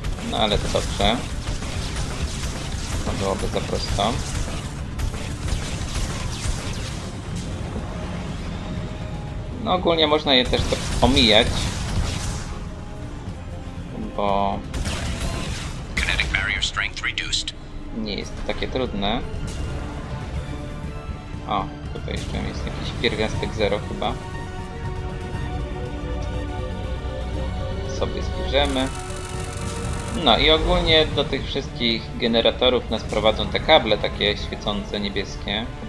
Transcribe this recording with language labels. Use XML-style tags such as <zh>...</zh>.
<pl>No ale to dobrze. To byłoby za prosto. No ogólnie można je też tak omijać. Bo...</pl> <en>Kinetic barrier strength reduced.</en> <pl>Nie jest to takie trudne. O, tutaj jeszcze jest jakiś pierwiastek zero chyba. Sobie zbierzemy. No i ogólnie do tych wszystkich generatorów nas prowadzą te kable takie świecące niebieskie.</pl>